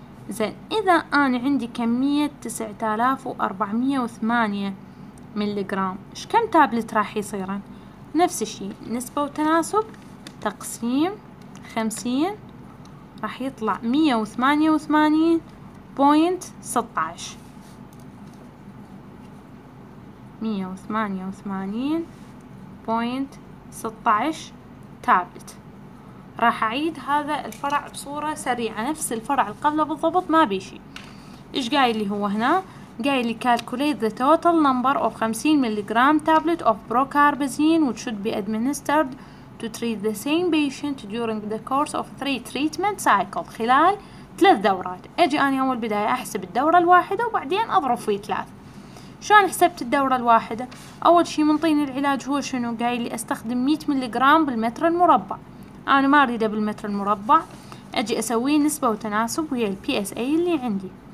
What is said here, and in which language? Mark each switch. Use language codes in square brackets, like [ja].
[ar] زين، اذا انا عندي كمية 9408 ملي جرام، ايش كم تابلت راح يصيرن؟ نفس الشيء، نسبة وتناسب تقسيم 50، راح يطلع 188.16 تابلت. راح اعيد هذا الفرع بصورة سريعة، نفس الفرع اللي قبله بالضبط، ما بيشي. ايش قايل لي هو هنا؟ قايل لي [en] calculate the total number of 50 milligram tablet of procarbazine which should be administered to treat the same patient during the course of 3 treatment cycle، [ar] خلال 3 دورات. اجي انا اول بداية احسب الدورة الواحدة وبعدين اضرب في 3. شلون حسبت الدورة الواحدة؟ اول شيء منطيني العلاج هو شنو؟ قايل لي استخدم 100 milligram بالمتر المربع، انا ما اريده بالمتر المربع، اجي اسوي نسبة وتناسب ويا ال PSA اللي عندي.